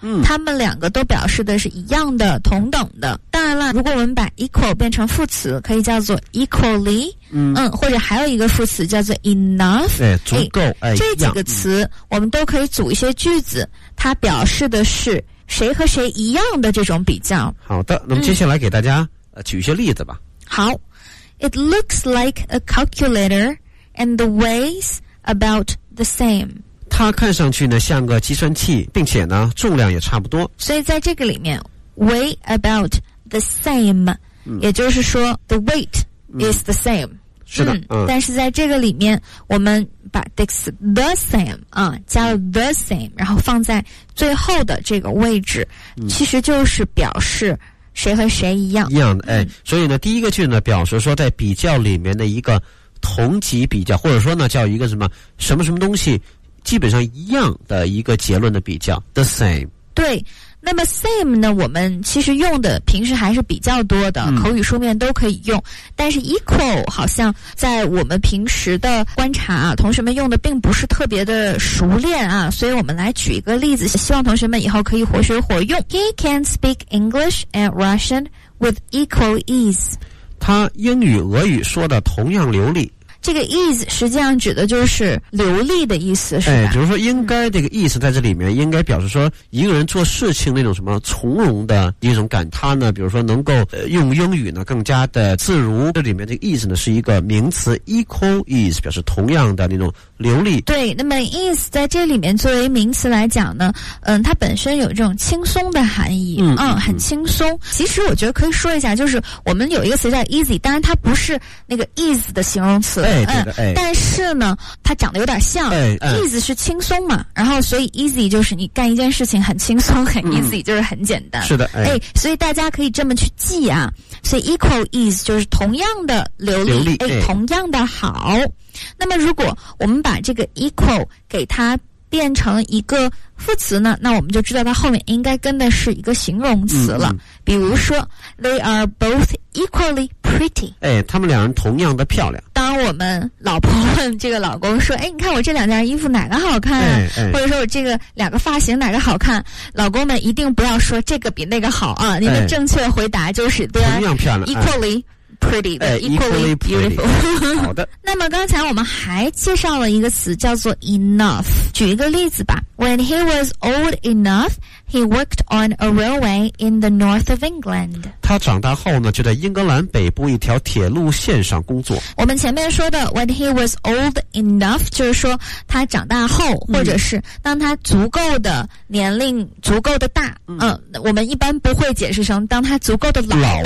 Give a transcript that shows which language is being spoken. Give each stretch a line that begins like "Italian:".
Chinese: 他们两个都表示的是一样的同等的。当然了，如果我们把 equal 变成副词可以叫做 equally， 或者还有一个副词叫做 enough，足够这几个词我们都可以组一些句子，它表示的是谁和谁一样的这种比较。好的，那么接下来给大家举一些例子吧。好，
English: It looks like a calculator and the weighs about the same。
Chinese: 它看上去呢像个计算器，并且呢重量也差不多。所以在这个里面
English: weigh about the same，
Chinese: 也就是说
English: the weight is the same。
Chinese: 是的。但是在这个里面我们把 the same 加了 the same， 然后放在最后的这个位置，其实就是表示谁和谁一样。一样的。所以呢第一个句呢表示说在比较里面的一个同级比较，或者说呢叫一个什么什么什么东西基本上一样的一个结论的比较 the same。对，那么 same 呢我们其实用的平时还是比较多的，口语书面都可以用，但是 equal 好像在我们平时的观察啊，同学们用的并不是特别的熟练啊，所以我们来举一个例子，希望同学们以后可以活学活用。
English: He can speak English and Russian with equal ease。
Chinese: 他英语俄语说的同样流利，这个 ease 实际上指的就是流利的意思，是吧？比如说应该这个 ease 在这里面应该表示说一个人做事情那种什么从容的一种感，他呢比如说能够用英语呢更加的自如，这里面这个 ease 呢是一个名词 equal ease， 表示同样的那种流利。对，那么 ease 在这里面作为名词来讲呢，它本身有这种轻松的含义，很轻松。其实我觉得可以说一下，就是我们有一个词叫 easy， 当然它不是那个 ease 的形容词。但是呢它长得有点像，easy 是轻松嘛，然后所以 easy 就是你干一件事情很轻松，很 easy 就是很简单。是的。所以大家可以这么去记啊，所以 equal ease 就是同样的流利同样的好。那么如果我们把这个 equal 给它变成一个副词呢，那我们就知道它后面应该跟的是一个形容词了。比如说
English: they are both equally pretty，
Chinese: 他们两人同样的漂亮。当我们老婆问这个老公说你看我这两件衣服哪个好看，或者说我这个两个发型哪个好看，老公们一定不要说这个比那个好啊，你们正确回答就是同样漂亮
English: equallypretty，equally beautiful。
Chinese: 好的。那么刚才我们还介绍了一个词叫做 enough， 举一个例子吧。
English: When he was old enough he worked on a railway in the north of England。
Chinese: 他长大后呢就在英格兰北部一条铁路线上工作。我们前面说的
English: when he was old enough
Chinese: 就是说他长大后，或者是当他足够的年龄足够的大，我们一般不会解释成当他足够的老。